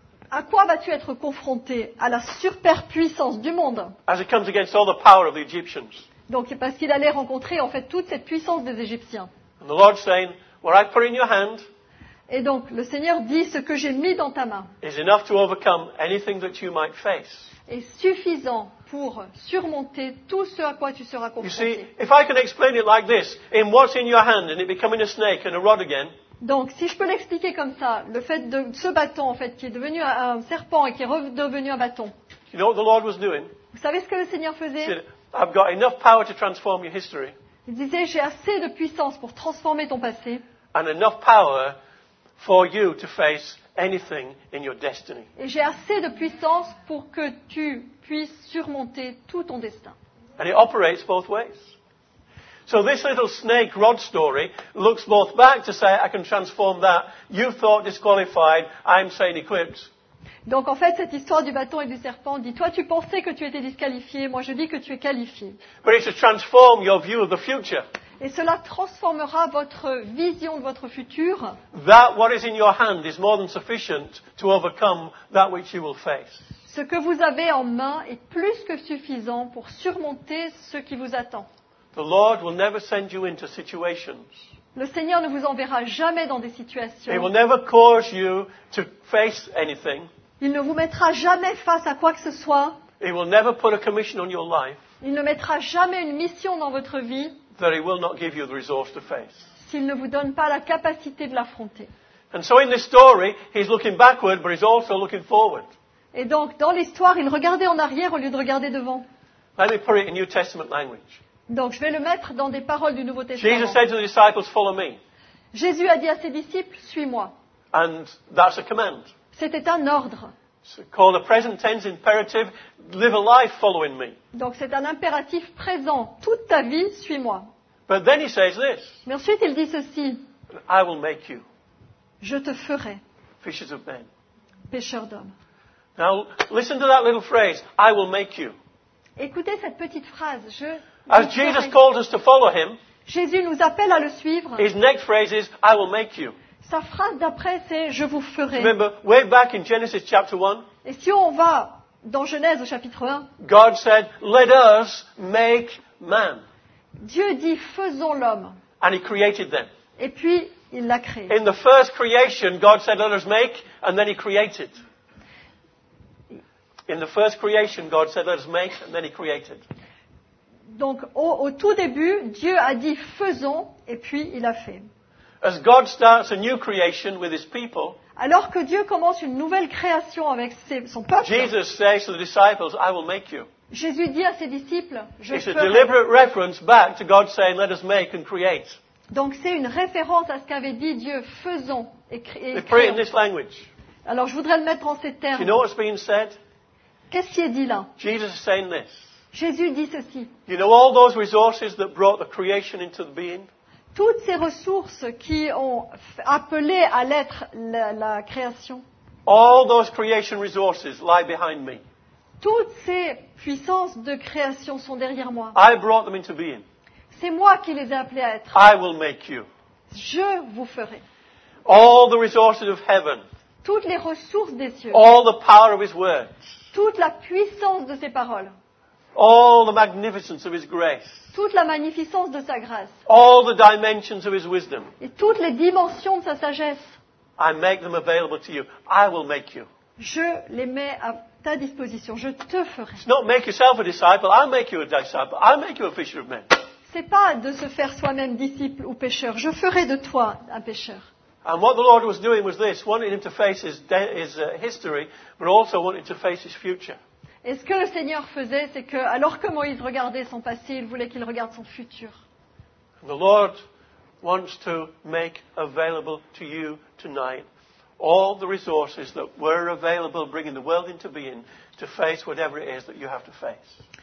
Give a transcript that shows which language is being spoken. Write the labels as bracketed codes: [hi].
[fr] À quoi vas-tu être confronté? À la superpuissance du monde. [en] As it comes against all the power of the Egyptians. [fr] Donc parce qu'il allait rencontrer en fait toute cette puissance des Égyptiens. [en] And the Lord saying, what I put in your hand. [fr] Et donc le Seigneur dit ce que j'ai mis dans ta main. [en] Is enough to overcome anything that you might face. [fr] Est suffisant pour surmonter tout ce à quoi tu seras confronté. [en] You see, if I can explain it like this, in what's in your hand and it becoming a snake and a rod again. [fr] Donc, si je peux l'expliquer comme ça, le fait de ce bâton, en fait, qui est devenu un serpent et qui est redevenu un bâton. [en] You know what the Lord was doing? [fr] Vous savez ce que le Seigneur faisait? [en] He said, I've got enough power to transform your history. [fr] Il disait, j'ai assez de puissance pour transformer ton passé. [en] And enough power for you to face anything in your destiny. [fr] Et j'ai assez de puissance pour que tu puisses surmonter tout ton destin. [en] And it operates both ways. So this little snake rod story looks both back to say I can transform that. You thought disqualified, I'm saying equipped. [fr] Donc en fait cette histoire du bâton et du serpent dit toi tu pensais que tu étais disqualifié, moi je dis que tu es qualifié. [en] But it should transform your view of the future. [fr] Et cela transformera votre vision de votre futur. [en] That what is in your hand is more than sufficient to overcome that which you will face. [fr] Ce que vous avez en main est plus que suffisant pour surmonter ce qui vous attend. [en] The Lord will never send you into situations. [fr] Le Seigneur ne vous enverra jamais dans des situations. [en] He will never cause you to face anything. [fr] Il ne vous mettra jamais face à quoi que ce soit. [en] He will never put a commission on your life. [fr] Il ne mettra jamais une mission dans votre vie. [en] That he will not give you the resource to face. [fr] S'il ne vous donne pas la capacité de l'affronter. [en] And so in this story, he's looking backward, but he's also looking forward. [fr] Et donc dans l'histoire, il regardait en arrière au lieu de regarder devant. [en] Let me put it in New Testament language. [fr] Donc, je vais le mettre dans des paroles du Nouveau Testament. [en] Jesus said to the disciples, follow me. [fr] Jésus a dit à ses disciples, suis-moi. [en] And that's a command. [fr] C'était un ordre. [en] So call the present tense imperative, live a life following me. [fr] Donc, c'est un impératif présent. Toute ta vie, suis-moi. [en] But then he says this. [fr] Mais ensuite, il dit ceci. [en] I will make you. [fr] Je te ferai. [en] Fishers of men. [fr] Pêcheurs d'hommes. [en] Now, listen to that little phrase. I will make you. [fr] Écoutez cette petite phrase. Je... [en] As Jesus calls us to follow him, [fr] Jésus nous appelle à le suivre. [en] His next phrase is, I will make you. [fr] Sa phrase d'après, c'est « Je vous ferai ». [en] Remember, way back in Genesis chapter 1, [fr] et si on va dans Genèse au chapitre 1, [en] God said, let us make man. [fr] Dieu dit « Faisons l'homme ». [en] And he created them. [fr] Et puis, il l'a créé. [en] In the first creation, God said, let us make, and then he created. In the first creation, God said, let us make, and then he created. [fr] Donc, au tout début, Dieu a dit « Faisons », et puis il a fait. [en] As God starts a new creation with his people, [fr] alors que Dieu commence une nouvelle création avec son peuple, [en] Jesus says to the disciples, I will make you. [fr] Jésus dit à ses disciples, « Je [en] It's [fr] ferai ». [en] A deliberate reference back to God saying, let us make and create. [fr] Donc, c'est une référence à ce qu'avait dit Dieu, « Faisons » et « Créons ». [en] They pray in this language. [fr] Alors, je voudrais le mettre en ces termes. [en] Do you know what's being said? [fr] Qu'est-ce qui est dit là? [en] Jesus is saying this. [fr] Jésus dit ceci. [en] You know all those resources that brought the creation into being? [fr] Toutes ces ressources qui ont appelé à l'être la création. [en] All those creation resources lie behind me. [fr] Toutes ces puissances de création sont derrière moi. [en] I brought them into being. [fr] C'est moi qui les ai appelées à être. [en] I will make you. [fr] Je vous ferai. [en] All the resources of heaven. [fr] Toutes les ressources des cieux. [en] All the power of his words. [fr] Toute la puissance de ses paroles. [en] All the magnificence of his grace. [fr] Toute la magnificence de sa grâce. [en] All the dimensions of his wisdom. [fr] Et toutes les dimensions de sa sagesse. [en] I make them available to you. I will make you. [fr] Je les mets à ta disposition. Je te ferai. [en] It's not make yourself a disciple. I'll make you a disciple. I'll make you a fisher of men. [fr] C'est pas de se faire soi-même disciple ou pêcheur. Je ferai de toi un pêcheur. [en] And what the Lord was doing was this, wanting him to face his history, but also wanting to face his future. [fr] Et ce que le Seigneur faisait, c'est que, alors que Moïse regardait son passé, il voulait qu'il regarde son futur. [en] The Lord wants to make available to you tonight all the resources that were available bringing the world into being to face whatever it is that you have to face.